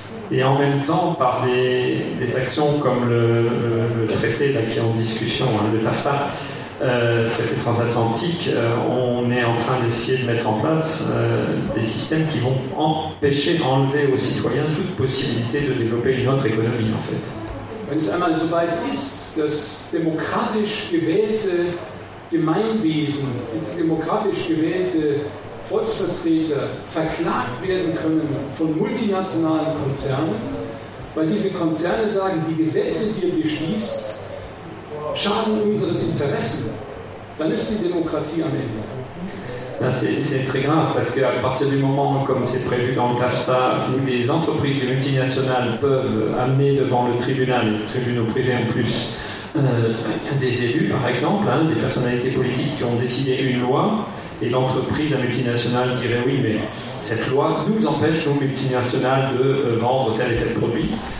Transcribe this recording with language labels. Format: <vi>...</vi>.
<fr>Et en même temps, par des actions comme le traité là, qui est en discussion, hein, le TAFTA, traité transatlantique, on est en train d'essayer de mettre en place des systèmes qui vont empêcher, enlever aux citoyens toute possibilité de développer une autre économie, en fait.</fr> <de>Wenn es einmal so weit ist, dass demokratisch gewählte Gemeinwesen, demokratisch gewählte Volksvertreter verklagt werden können von multinationalen Konzernen, weil diese Konzerne sagen, die Gesetze, die ihr beschließt, schaden unseren Interessen, dann ist die Demokratie am Ende.</de> <fr>Là, c'est très grave, parce qu'à partir du moment, comme c'est prévu dans le TAFTA, où les entreprises, les multinationales peuvent amener devant le tribunal, les tribunaux privés en plus, des élus, par exemple, hein, des personnalités politiques qui ont décidé une loi, et l'entreprise, la multinationale, dirait oui, mais cette loi nous empêche, nos multinationales, de vendre tel et tel produit.</fr>